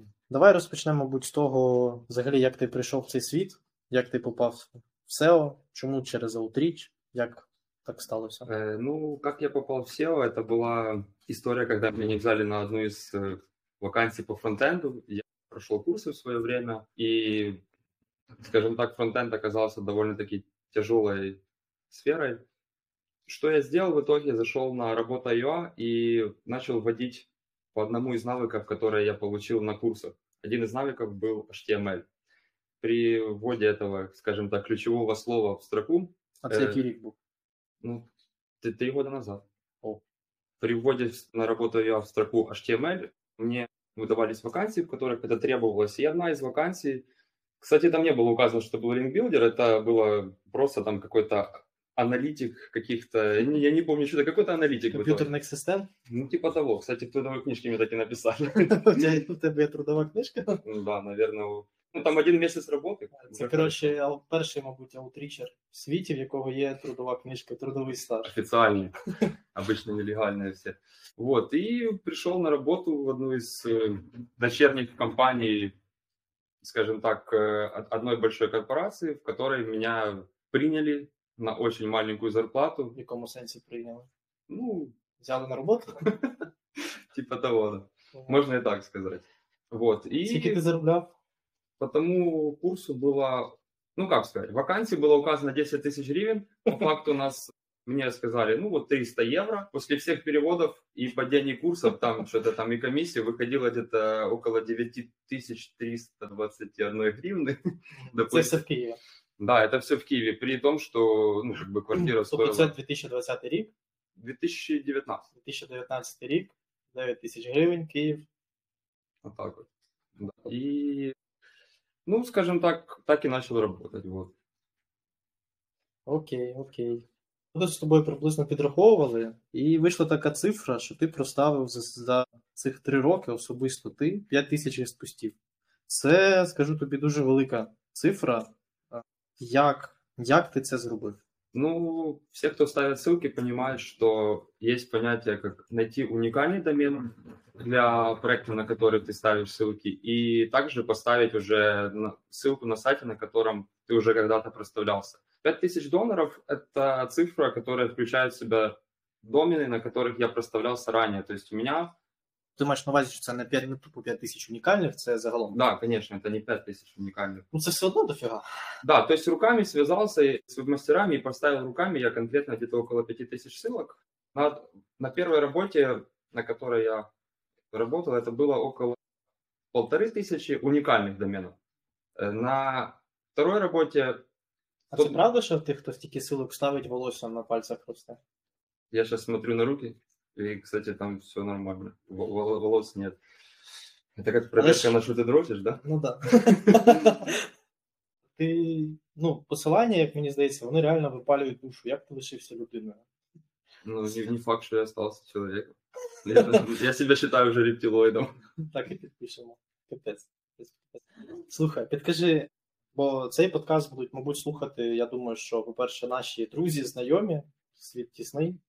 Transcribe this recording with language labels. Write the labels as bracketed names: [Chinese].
[Ukrainian] Давай розпочнемо, мабуть, з того, взагалі, як ти прийшов в цей світ, як ти попав в SEO, чому через Outreach, як так сталося? Ну, як я попав в SEO, це була історія, коли мені взяли на одну із вакансій по фронтенду. Я пройшов курси в своє время, і, скажімо так, фронтенд оказався доволі-таки тяжелою сферою. Що я зробив в итоге? Зайшов на робота.ua і почав вводити по одному [Russian] из навыков, которые я получил на курсах. Один из навыков был HTML. При вводе этого, скажем так, ключевого слова в строку... [Ukrainian] А это який рік був? [Russian] Ну, 3 года назад. О. При вводе на работу я в строку HTML, мне выдавались вакансии, в которых это требовалось. И одна из вакансий... Кстати, там не было указано, что был линкбилдер, это было просто там какой-то... аналитик каких-то, я не помню, что это какой-то аналитик. Компьютерных систем? Ну, типа того. Кстати, в трудовой книжке мне так и написали. У тебя трудовая книжка? Да, наверное. Ну, там один месяц работы. [Ukrainian] Это, короче, перший, мабуть, аутричер в світі, в якого є трудова книжка, трудовий стаж. Офіційні. [Russian] Обычно нелегальные все. Вот, и пришел на работу в одну из дочерних компаний, скажем так, одной большой корпорации, в которой меня приняли на очень маленькую зарплату. [Ukrainian] В якому сенсі прийняли? Ну, взяли на роботу? Типа того, да. Можна і так сказати. Вот. І... Скільки ти заробляв? По тому курсу було, ну як сказати, в вакансії було указано 10 тисяч гривень. По факту нас, мені сказали, ну от 300 євро. Після всіх переводів і падіння курсів, там щось там і комісії, виходило десь около 9 321 гривень. Це все в Києві. [Russian] Да, это все в Киеве, при том, что, ну, как бы квартира стоила... [Ukrainian] 2020 рік? 2019. [Russian] 2019 рік, 9 тысяч гривень, Киев. Вот так вот. Да. И, ну, скажем так, так и начал работать, вот. Окей, окей. [Ukrainian] Ми з тобою приблизно підраховували, і вийшла така цифра, що ти проставив за цих 3 роки особисто ти 5 тисяч респустів. Це, скажу тобі, дуже велика цифра. [Russian] Як ты это сделал? Ну, все, кто ставит ссылки, понимают, что есть понятие, как найти уникальный домен для проекта, на который ты ставишь ссылки, и также поставить уже ссылку на сайте, на котором ты уже когда-то проставлялся. 5000 долларов – это цифра, которая включает в себя домены, на которых я проставлялся ранее. То есть у меня... [Ukrainian] Ти маєш на увазі, що це не 5, не тупо 5 тисяч унікальних, це загалом? Так, да, звісно, це не 5 тисяч унікальних. Ну це все одно дофіга. Так, да, тобто руками зв'язався з вебмастерами і поставив руками, я конкретно десь около 5 тисяч ссылок. На першій роботі, [Russian] на которой я работал, [Ukrainian] це було около 1500 унікальних доменів. На другій роботі... А це правда, що ти хто стільки ссылок ставить волосся на пальцях просто? Я зараз смотрю на руки. [Russian] И, кстати, там все нормально. Волос нет. Это как проверка, на что ты дрочишь, да? Ну да. [Ukrainian] Ты, ну, посилання, як мені здається, вони реально випалюють душу. Як ти лишився людиною? Ну, не факт, що я остався чоловіком. Я себе вважаю вже рептилоїдом. Так і підпишемо. Капець. Слухай, підкажи, бо цей подкаст будуть, мабуть, слухати, я думаю, що, по-перше, наші друзі, знайомі, світ тісний.